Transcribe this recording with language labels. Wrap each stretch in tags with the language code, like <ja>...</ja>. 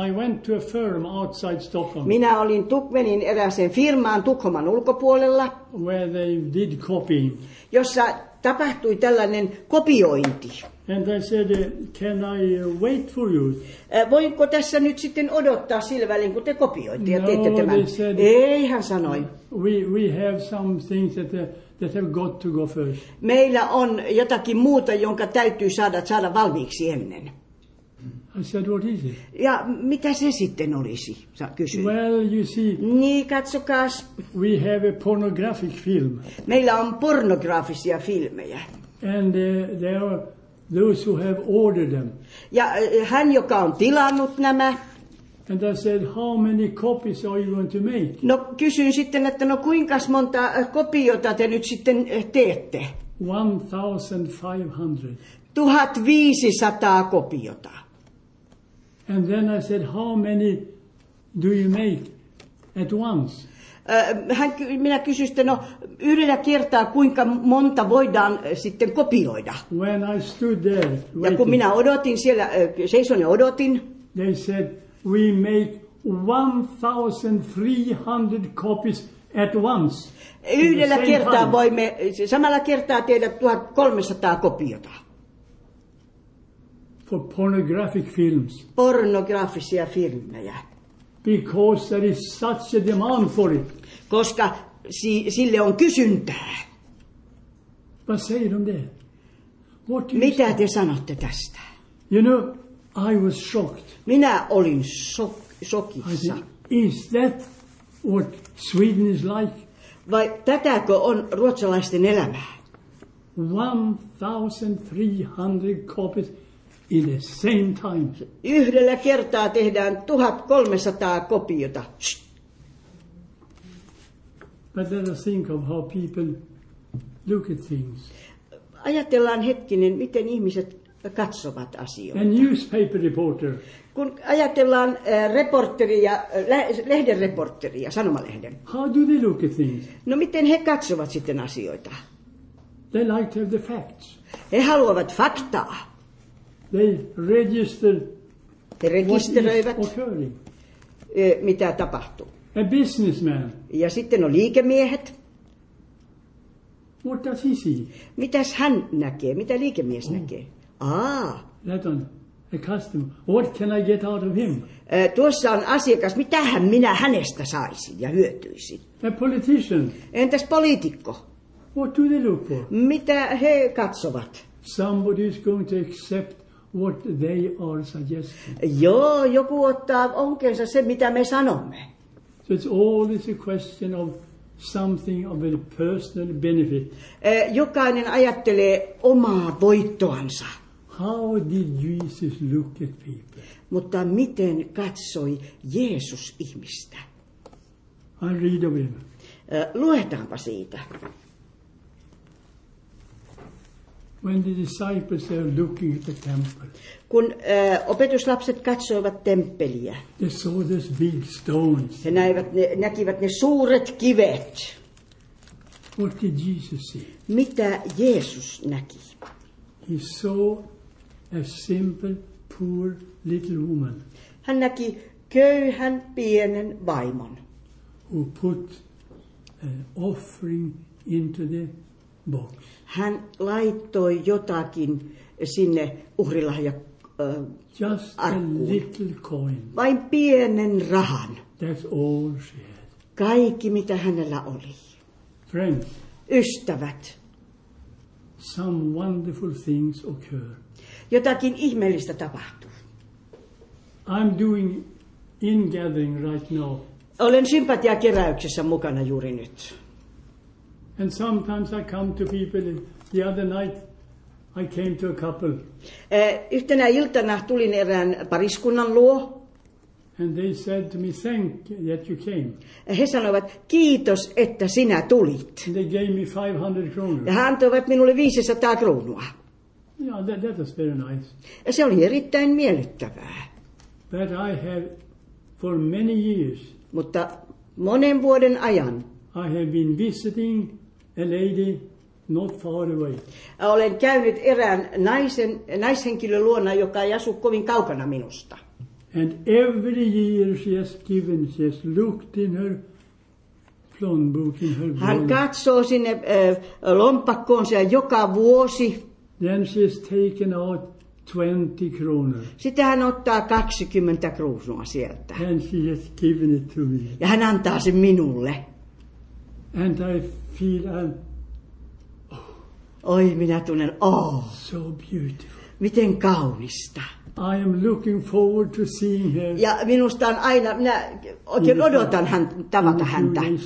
<en>I went to a firm outside Stockholm.</en> <fi>Minä olin menin erääseen firmaan Tukholman ulkopuolella,</fi> <en>where they did copying.</en> <fi>Jossa tapahtui tällainen kopiointi.</fi> <en>And I said, can I wait for you?</en> <fi>Voinko tässä nyt sitten odottaa sillä välin, kun te kopioitte ja teette tämän?</fi> <en>No, they said,</en> <fi>ei, hän sanoi.</fi> <en>We have some things that that have got to go first.</en> <fi>Meillä on jotakin muuta, jonka täytyy saada valmiiksi ennen.</fi> <en>I said, what is it?</en> <fi>Ja mitä se sitten olisi, kysyin.</fi> <en>Well, you see.</en> <fi>Niin, katsokaas.</fi> <en>We have a pornographic film.</en> <fi>Meillä on pornografisia filmejä.</fi> <en>And there are those who have ordered them.</en> <fi>Ja hän, joka on tilannut nämä.</fi> <en>And I said, how many copies are you going to make?</en> <fi>No, kysyin sitten, että no kuinkas monta kopiota te nyt sitten teette?</fi> <en>1,500.</en> <fi>1,500 kopiota.</fi> <en>And then I said, how many do you make at once?</en> <fi>Minä kysyin sitten, no yhdellä kertaa kuinka monta voidaan sitten kopioida?</fi> <en>When I stood there waiting,</en> <fi>ja kun minä odotin siellä, seison ja odotin.</fi> <en>They said, we make 1,300 copies at once.</en> <fi>Yhdellä kertaa voimme, samalla kertaa tehdä 1,300 kopiota.</fi> <en>For pornographic films.</en> <fi>Pornografisia filmejä.</fi> <en>Because there is such a demand for it.</en> <fi>Koska sille on kysyntää.</fi> <en>But say it on there. What you</en> <fi>mitä say? Te sanotte tästä?</fi> <en>You know, I was shocked.</en> <fi>Minä olin shokissa.</fi> <en>I said, is that what Sweden is like?</en> <fi>Vai tätäkö on ruotsalaisten elämää?</fi> <en>1,300 copies in the same time.</en> <fi>Yhdellä kertaa tehdään 1,300 kopiota.</fi> <en>But let us think of how people look at things.</en> <fi>Ajatellaan hetkinen, miten ihmiset katsovat asioita.</fi> <en>A newspaper reporter.</en> <fi>Kun ajatellaan reporteria, lehden reporteria, sanomalehden.</fi> <en>How do they look at things?</en> <fi>No miten he katsovat sitten asioita?</fi> <en>They like to have the facts.</en> <fi>He haluavat faktaa.</fi> <en>They register.</en> <fi>He rekisteröivät.</fi> <en>What is occurring?</en> <fi>Mitä tapahtuu?</fi> <en>A businessman.</en> <fi>Ja sitten on liikemiehet.</fi> <en>What does he see?</en> <fi>Mitäs hän näkee? Mitä liikemies näkee?</fi> <en>That on a customer. What can I get out of him?</en> <fi>Tuossa on asiakas. Mitähän minä hänestä saisin ja hyötyisin?</fi> <en>A politician.</en> <fi>Entäs poliitikko?</fi> <en>What do they look for?</en> <fi>Mitä he katsovat?</fi> <en>Somebody is going to accept what they are suggesting.</en> <fi>Joo, joku ottaa onkensa sen, mitä me sanomme.</fi> <en>So it's always a question of something of a personal benefit.</en> <fi>Jokainen ajattelee omaa voittoansa.</fi> <en>How did Jesus look at people?</en> <fi>Mutta miten katsoi Jeesus ihmistä?</fi> <en>I read of him.</en> <fi>Luetaanpa siitä.</fi> <en>When the disciples are looking at the temple.</en> <fi>Kun opetuslapset katsoivat temppeliä.</fi> <en>They saw these big stones.</en> <fi>He näkivät ne suuret kivet.</fi> <en>What did Jesus see?</en> <fi>Mitä Jeesus näki?</fi> <en>He saw a simple, poor little woman.</en> <fi>Hän näki köyhän pienen vaimon.</fi> <en>Who put an offering into the box.</en> <fi>Hän laittoi jotakin sinne uhrilahja-arkkuun. Vain pienen rahan.</fi> <en>That's all she had.</en> <fi>Kaikki mitä hänellä oli.</fi> <en>Friends.</en> <fi>Ystävät.</fi> <en>Some wonderful things occur.</en> <fi>Jotakin ihmeellistä tapahtuu.</fi> <en>I'm doing in gathering right now.</en> <fi>Olen sympatiakeräyksessä mukana juuri nyt.</fi> <en>And sometimes I come to people. The other night I came to a couple.</en> <fi>Yhtenä iltana tulin erään pariskunnan luo.</fi> <en>And they said to me, thank that you came.</en> <fi>He sanoivat, kiitos, että sinä tulit.</fi> <en>And they gave me 500 kronor.</en> <fi>Ja he antoivat minulle 500 kronoa.</fi> <en>Yeah, that was very nice.</en> <fi>Ja se oli erittäin miellyttävää.</fi> <en>But I have for many years.</en> <fi>Mutta monen vuoden ajan.</fi> <en>I have been visiting a lady not far away.</en> <fi>Olen käynyt erään naishenkilön luona, joka ei asu kovin kaukana minusta.</fi> <en>And every year she has given, she has looked in her plånbok in her.</en> <fi>Hän katsoo sinne lompakkoon siellä joka vuosi.</fi> <en>Then she has taken out 20 kroner.</en> <fi>Sitten hän ottaa 20 kruunua sieltä.</fi> <en>And she has given it to me.</en> <fi>Ja hän antaa sen minulle.</fi> <en>And I feel I'm...</en> <fi>Oi, minä tunnen,</fi> <en>So beautiful.</en> <fi>Miten kaunista.</fi> <en>I am looking forward to seeing her.</en> <fi>Ja minusta on aina, minä oikein odotan tavata häntä.</fi>